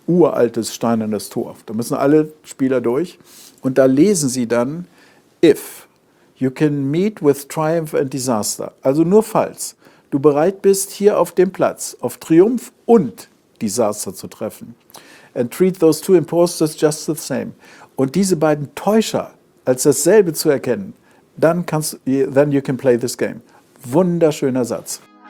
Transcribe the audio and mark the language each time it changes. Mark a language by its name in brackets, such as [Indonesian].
[German] Uraltes, steinernes Tor. Da müssen alle Spieler durch. Und da lesen sie dann, [English] if you can meet with triumph and disaster. [German] Also nur falls du bereit bist, hier auf dem Platz auf Triumph und Disaster zu treffen. [English] And treat those two imposters just the same. [German] Und diese beiden Täuscher als dasselbe zu erkennen, dann kannst du, [English] then you can play this game. [German] Wunderschöner Satz.